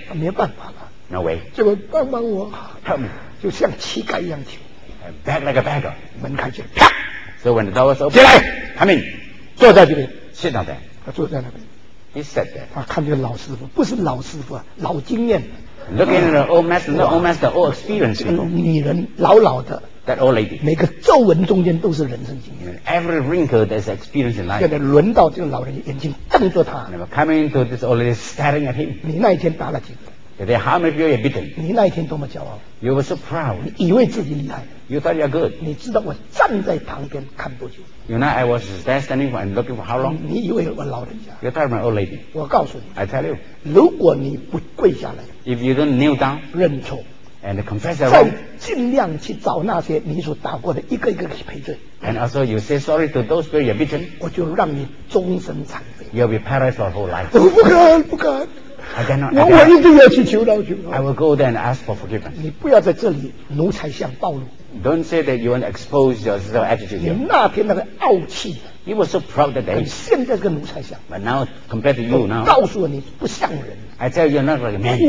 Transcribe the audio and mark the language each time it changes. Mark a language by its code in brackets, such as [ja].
[zh] 没办法了。 [en] No way. [zh] 这个帮帮我。 [en] Help me. [zh] 就像乞丐一样求。 [en] Back like a beggar. [zh] 门开起来，啪。 [en] So when the door was open, [zh] 进来 ， [en] Come in. [zh] 坐在这里。 [en] Sit down there. [zh] 他坐在那边。 [en] He sat there. [zh] 他看这个老师傅，不是老师傅，老经验。 [en] Looking at the old master, not old master, old experience. [zh] 这种女人老老的。 [en] That old lady. [zh] 每个皱纹中间都是人生经验。 [en] Every wrinkle that's experience in life. [zh] 现在轮到这个老人眼睛瞪着他。 [en] Coming into this old lady, staring at him. [zh] 你那一天打了几个？ [en] They how many people have beaten? [zh] 你那一天多么骄傲 [en] ！You were so proud. [zh] 你以为自己厉害 [en] ？You thought you're good. [zh] 你知道我站在旁边看多久 [en] ？You know I was there standing for and looking for how long? [zh] 你以为我老人家 [en] ？You thought my old lady. [zh] 我告诉你 [en] ，I tell you. [zh] 如果你不跪下来 [en] ，If you don't kneel down, [zh] 认错 [en] ，and confess your wrong, [zh] 再尽量去找那些你所打过的一个一个去赔罪 [en] ，and also you say sorry to those people you have beaten. [zh] 我就让你终身残废 [en] ，You'll be paralyzed for whole life. [zh] 我不敢，不敢。 [en] I cannot, [zh] 我一定要去求饶去。 [en] I will go there and ask for forgiveness. [zh] 你不要在这里奴才相暴露。 [en] Don't say that you want to expose yourself attitude. [zh] 你那天那个傲气。 [en] You were so proud that day. [zh] 现在这个奴才相。 [en] But now compared to you now. [zh] 告诉我你不像人。 [en] I tell you you're not like a man.